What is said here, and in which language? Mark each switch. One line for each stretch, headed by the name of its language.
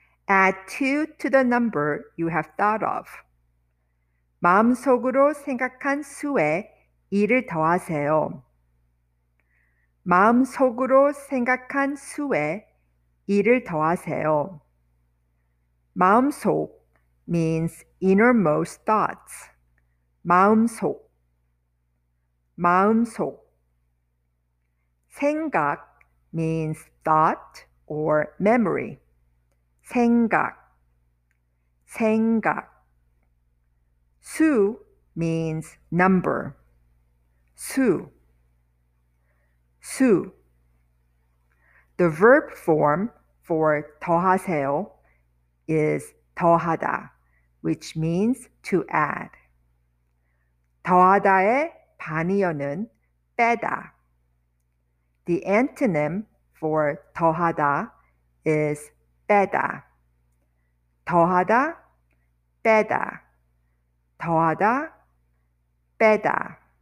English: Add 2 to the number you have thought of.
Korean: 마음속으로 생각한 수에 2를 더하세요. 마음속으로 생각한 수에 2를 더하세요.
English: 마음속 means innermost thoughts.
Korean: 마음속, 마음속.
English: 생각 means thought or memory.
Korean: 생각, 생각. 수
English: means number.
Korean: 수, 수.
English: The verb form for 더하세요 is 더하다, which means to add.
Korean: 더하다의 반이어는 빼다.
English: The antonym for 더하다 is 빼다.
Korean: 더하다, 빼다. 더하다, 빼다.